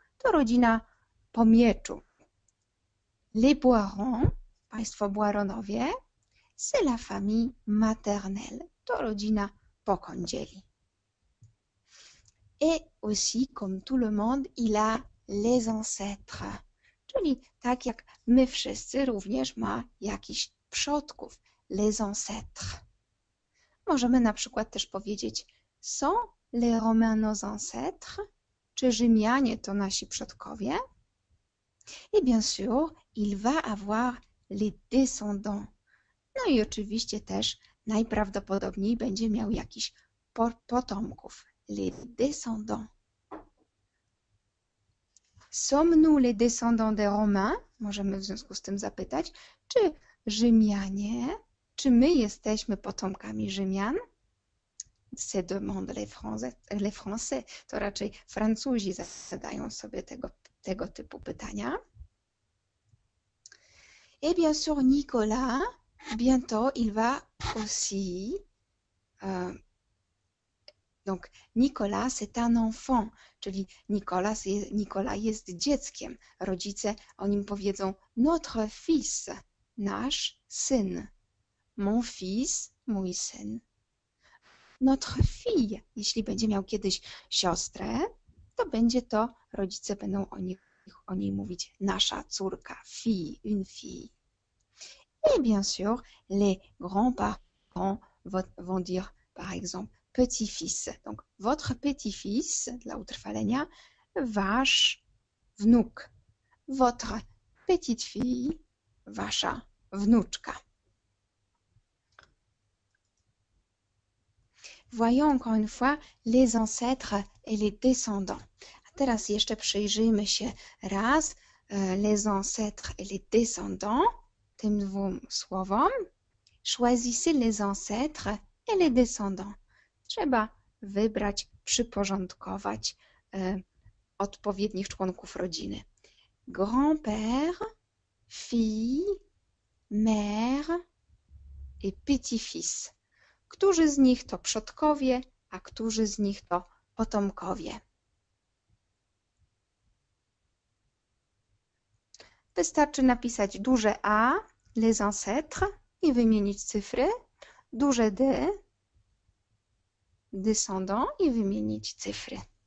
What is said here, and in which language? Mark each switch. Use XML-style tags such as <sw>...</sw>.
<pl>To rodzina po mieczu.</pl> <fr>Les Boirons,</fr> <pl>państwo Boironowie,</pl> <fr>c'est la famille maternelle.</fr> <pl>To rodzina po kądzieli.</pl> <fr>Et aussi, comme tout le monde, il a les ancêtres.</fr> <pl>Czyli tak jak my wszyscy, również ma jakiś przodków.</pl> <fr>Les ancêtres.</fr> <pl>Możemy na przykład też powiedzieć,</pl> <fr>sont les Romains nos ancêtres?</fr> <pl>Czy Rzymianie to nasi przodkowie?</pl> <fr>Et bien sûr, il va avoir les descendants.</fr> <pl>No i oczywiście też najprawdopodobniej będzie miał jakiś potomków.</pl> <fr>Les descendants. Sommes-nous les descendants des Romains?</fr> <pl>Możemy w związku z tym zapytać. Czy Rzymianie, czy my jesteśmy potomkami Rzymian?</pl> <fr>Se demande les Français.</fr> <pl>To raczej Francuzi zadają sobie tego typu pytania.</pl> <fr>Et bien sûr, Nicolas, bientôt, il va aussi Donc, Nicolas, c'est un enfant,</fr> <pl>czyli Nicolas jest dzieckiem. Rodzice o nim powiedzą</pl> <fr>notre fils,</fr> <pl>nasz syn.</pl> <fr>Mon fils,</fr> <pl>mój syn.</pl> <fr>Notre fille,</fr> <pl>jeśli będzie miał kiedyś siostrę, to będzie to, rodzice będą o niej mówić nasza córka,</pl> <fr>fille, une fille. Et bien sûr, les grands-parents vont dire, par exemple, petit-fils. Donc, votre petit-fils,</fr> <pl>dla utrwalenia, wasz wnuk.</pl> <fr>Votre petite-fille,</fr> <pl>wasza wnuczka.</pl> <fr>Voyons encore une fois les ancêtres et les descendants.</fr> <pl>A teraz jeszcze przyjrzyjmy się raz</pl> <fr>les ancêtres et les descendants.</fr> <pl>Tym dwóm słowom.</pl> <fr>Choisissez les ancêtres et les descendants.</fr> <pl>Trzeba wybrać, przyporządkować odpowiednich członków rodziny.</pl> <fr>Grand-père, fille, mère et petit-fils.</fr> <pl>Którzy z nich to przodkowie, a którzy z nich to potomkowie. Wystarczy napisać duże A, les ancêtres, i wymienić cyfry, duże D, descendant, i wymienić cyfry.</pl>